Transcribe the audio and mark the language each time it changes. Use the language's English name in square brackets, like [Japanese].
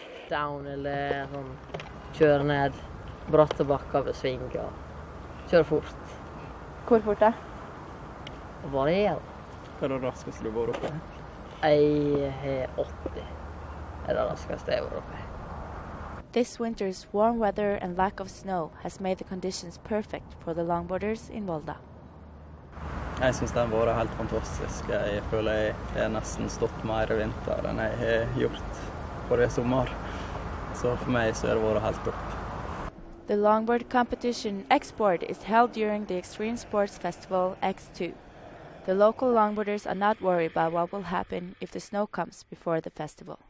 [Norwegian] Down eller sånn, kjøre ned bratte bakker ved sving og kjøre fort. Hvor fort er det? Hva er det? Hva er det raskeste du har vært oppe? Jeg er 80. Det er det raskeste jeg har vært oppe. [English] This winter's warm weather and lack of snow has made the conditions perfect for the longboarders in Volda. [Norwegian] Jeg synes den var helt fantastisk. Jeg føler jeg har nesten stått mer i vinter enn jeg har gjort for i sommer. Så for meg så har det vært helt topp. [English] The longboard competition Export is held during the Extreme Sports Festival X2. The local longboarders are not worried about what will happen if the snow comes before the festival.